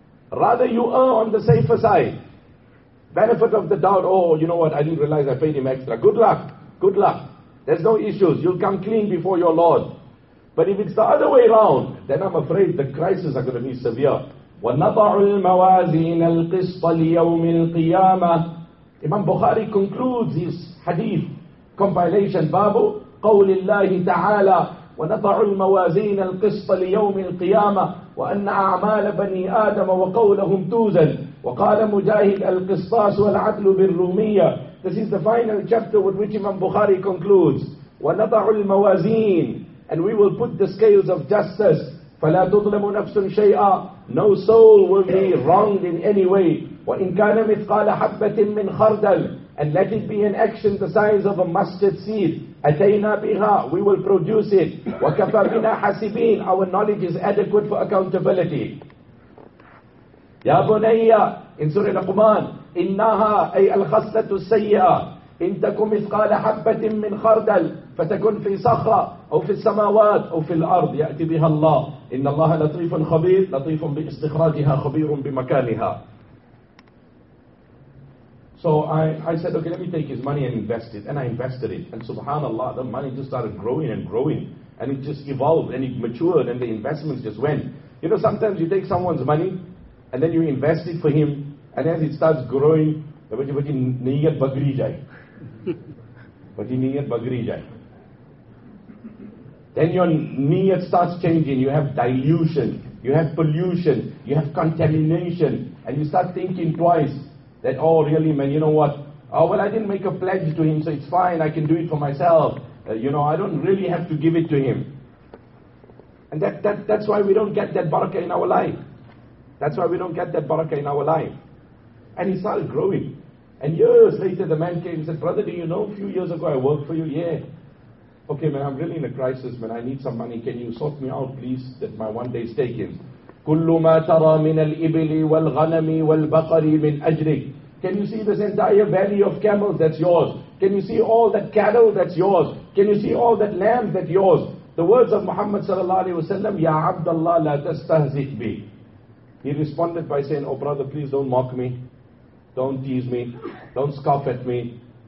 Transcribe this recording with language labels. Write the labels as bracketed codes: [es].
[en] Rather you err on the safer side. Benefit of the doubt, oh, you know what, I didn't realize I paid him extra. Good luck, good luck. There's no issues, you'll come clean before your Lord. But if it's the other way around, then I'm afraid the crises are going to be severe. [ar] وَنَضَعُ الْمَوَازِينَ الْقِسْطَ لِيَوْمِ الْقِيَامَةِ [en] Imam Bukhari concludes his hadith compilation, Babu, [ar] قول الله تعالى وَنَضَعُ الْمَوَازِينَ الْقِسْطَ لِيَوْمِ الْقِيَامَةِ وَأَنَّ أَعْمَالَ بَنِي آدَمَ وَقَوْلَهُمْ تُوزَنْ وَقَالَ مُجَاهِدَ الْقِسْطَاسُ وَالْعَدْلُ بِالْرُومِيَّةِ [en] This is the final chapter with which Imam Bukhari concludes. [ar] وَنَضَعُ الْمَوَازِينَ [en] And we will put the scales of justice. [ar] فَلَا تُظْلَمُ نَفْسٌ شَيْئًا [en] No soul will be wronged in any way. [ar] وَإِن كَانَ مِثْقَالَ حَبَّةٍ مِّنْ خَرْدَلٍ [en] And let it be an action the size of a mustard seed. [ar] أَتَيْنَا بِهَا [en] We will produce it. [ar] وَكَفَى بِنَا حَسِبِينَ [en] Our knowledge is adequate for accountability. [ar] يَا بُنَيَّ [en] In Surah Al-Qumran, [ar] إِنَّهَا أَيْ الْخَصْلَةُ السَّيِّئَةُ إِن تَكُ مِثْقَالَ حَبَّةٍ مِّنْ خَرْدَلٍ فَتَكُنْ فِي صَخْرَةٍ أَوْ فِي السَّمَاوَاتِ أَوْ فِي الْأَرْضِ يَأْتِ بِهَا اللَّهُ إِنَّ اللَّهَ لَطِيفٌ خَبِيرٌ لَطِيفٌ بِإِسْتِخْرَاجِهَا خَبِيرٌ بِمَكَانِهَا [en] So I said, okay, let me take his money and invest it. And I invested it. And subhanAllah, the money just started growing and growing. And it just evolved and it matured and the investments just went. You know, sometimes you take someone's money and then you invest it for him. And as it starts growing, [ur] bati niyat bagri jai. Bati niyat bagri jai. [en] Then your niyat starts changing. You have dilution. You have pollution. You have contamination. And you start thinking twice. That, oh really man, you know what? Oh well, I didn't make a pledge to him, so it's fine, I can do it for myself. You know, I don't really have to give it to him. And that's why we don't get that barakah in our life. That's why we don't get that barakah in our life. And he started growing. And years later the man came and said, brother, do you know a few years ago I worked for you? Yeah. Okay man, I'm really in a crisis man, I need some money. Can you sort me out please, that my one day's taken. [ar] كل ما ترى من الإبل والغنم والبقر من أجرك. [en] Can you see this entire valley of camels that's yours? Can you see all that cattle that's yours? Can you see all that lamb that's yours? The words of Muhammad sallallahu alaihi wasallam, [ar] يا عبد الله لا تستهزئ بي. [en] He responded by saying, Oh brother, please don't mock me, don't tease me, don't scoff at me.